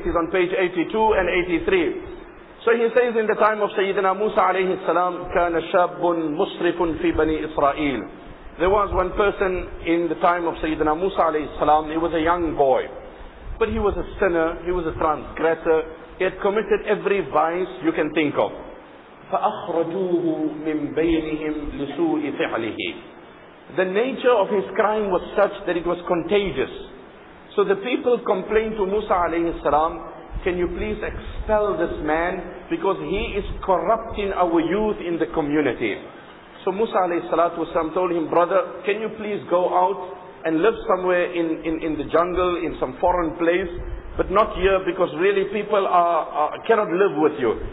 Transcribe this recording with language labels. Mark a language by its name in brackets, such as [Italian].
[English] It is on page 82 and 83. So he says, in the time of Sayyidina Musa alayhi salam, [Arabic] كان شاب مسرف في بني إسرائيل. [English] There was one person in the time of Sayyidina Musa alayhi salam. He was a young boy, but he was a sinner, he was a transgressor. He had committed every vice you can think of. [Arabic] فأخرجوه من بينهم لسوء فعله. [English] The nature of his crime was such that it was contagious. So the people complained to Musa alayhi salam, can you please expel this man, because he is corrupting our youth in the community. So Musa alayhi salatu wasalam told him, brother, can you please go out and live somewhere in the jungle, in some foreign place, but not here, because really people cannot live with you.